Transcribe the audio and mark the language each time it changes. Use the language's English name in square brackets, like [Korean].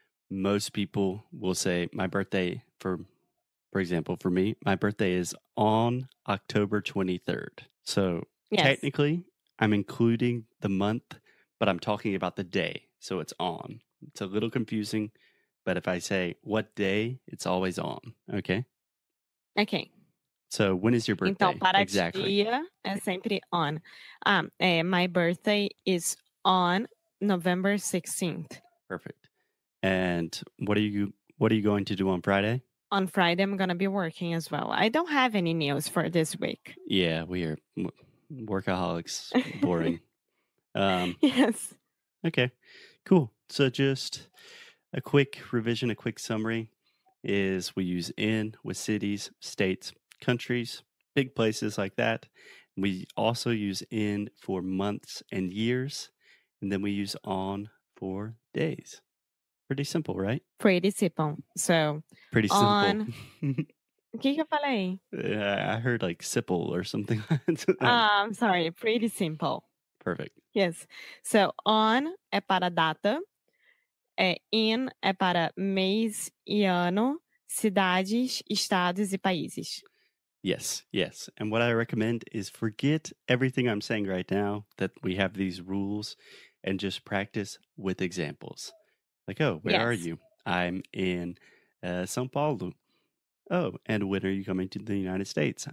[English] Most people will say, my birthday, for example, for me, my birthday is on October 23rd. So yes. Technically, I'm including the month, but I'm talking about the day, so it's on. It's a little confusing, but if I say what day, it's always on, okay? Okay. So when is your birthday? [Portuguese] Então, para [English] exactly. [Portuguese] dia, é sempre [English] on. My birthday is on November 16th. Perfect. And what are you going to do on Friday? On Friday, I'm going to be working as well. I don't have any news for this week. Yeah, we are workaholics. Boring. Yes. Okay, cool. So just a quick revision, a quick summary is we use in with cities, states, countries, big places like that. We also use in for months and years. And then we use on for days. Pretty simple, right? Pretty simple. So, pretty simple. On... [Portuguese] que falei? [English] I heard like simple or something. I'm sorry. Pretty simple. Perfect. Yes. So, [Portuguese] on é para data. In é para mês e ano, cidades, estados e países. [English] Yes, yes. And what I recommend is forget everything I'm saying right now, that we have these rules, and just practice with examples. Like, oh, where are you? I'm in São Paulo. Oh, and when are you coming to the United States?